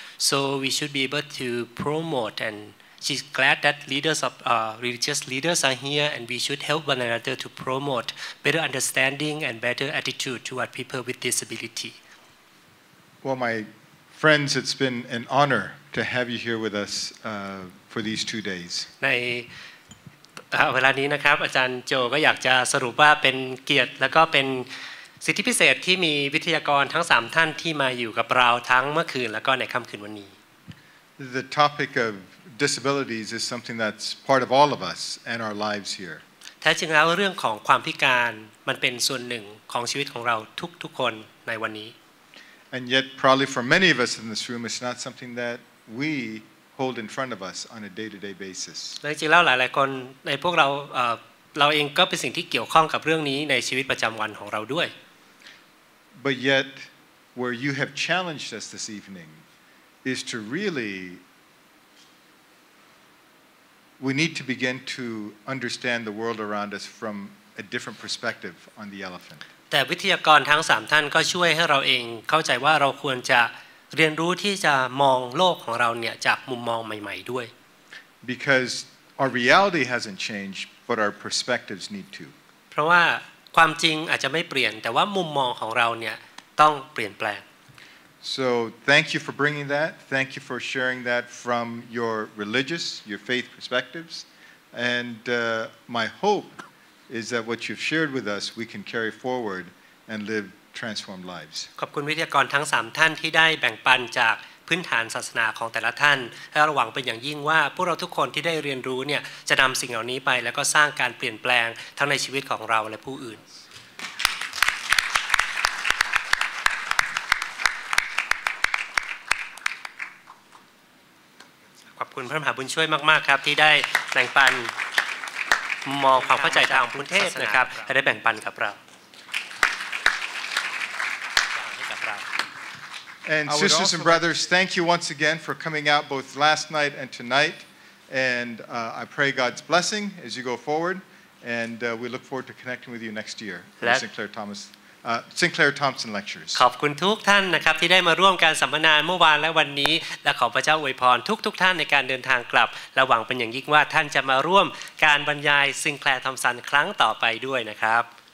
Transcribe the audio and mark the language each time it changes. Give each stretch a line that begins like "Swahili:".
English: So we should be able to promote, and she's glad that leaders of religious leaders are here, and we should help one another to promote better understanding and better attitude toward people with disability. Well, my friends, it's been an honor to have you here with us for these 2 days.
Thai: ในเวลานี้นะครับอาจารย์โจก็อยากจะสรุปว่าเป็นเกียรติแล้วก็เป็นสิทธิพิเศษที่มีวิทยากรทั้ง3ท่านที่มาอยู่กับเราทั้งเมื่อคืนแล้วก็ในค่ำคืนวันนี้
English: The topic of disabilities is something that's part of all of us and our lives here.
Thai: แท้จริงแล้วเรื่องของความพิการมันเป็นส่วนหนึ่งของชีวิตของเราทุกคนในวันนี้
English: And yet probably for many of us in this room it's not something that we hold in front of us on a day-to-day basis.
Thai: และจริงแล้วหลายๆคนในพวกเราเราเองก็เป็นสิ่งที่เกี่ยวข้องกับเรื่องนี้ในชีวิตประจำวันของเราด้วย
English: But yet, where you have challenged us this evening is to really, we need to begin to understand the world around us from a different perspective on the elephant.
Thai: แต่วิทยากรทั้ง3ท่านก็ช่วยให้เราเองเข้าใจว่าเราควรจะเรียนรู้ที่จะมองโลกของเราเนี่ยจากมุมมองใหม่ๆด้วย
English: Because our reality hasn't changed. But our perspectives need to.
Thai: เพราะว่าความจริงอาจจะไม่เปลี่ยนแต่ว่ามุมมองของเราเนี่ยต้องเปลี่ยนแปลง
English: So thank you for bringing that. Thank you for sharing that from your religious, your faith perspectives. And my hope is that what you've shared with us, we can carry forward and live transformed lives.
Thai: ขอบคุณวิทยากรทั้ง3ท่านที่ได้แบ่งปันจากพื้นฐานศาสนาของแต่ละท่านและเราหวังเป็นอย่างยิ่งว่าพวกเราทุกคนที่ได้เรียนรู้เนี่ยจะนำสิ่งเหล่านี้ไปแล้วก็สร้างการเปลี่ยนแปลงทั้งในชีวิตของเราและผู้อื่น ขอบคุณพระมหาบุญช่วยมากๆครับที่ได้แบ่งปันมองความเข้าใจทางพุทธเทศนะครับและได้แบ่งปันกับเรา
English: And sisters and brothers, thank you once again for coming out both last night and tonight. And I pray God's blessing as you go forward. And we look forward to connecting with you next year for Sinclair Thompson lectures.
Thai: ขอบคุณทุกท่านนะครับที่ได้มาร่วมการสัมมนาเมื่อวานและวันนี้และขอพระเจ้าอวยพรทุกท่านในการเดินทางกลับและหวังเป็นอย่างยิ่งว่าท่านจะมาร่วมการบรรยาย Sinclair Thompson ครั้งต่อไปด้วยนะครับ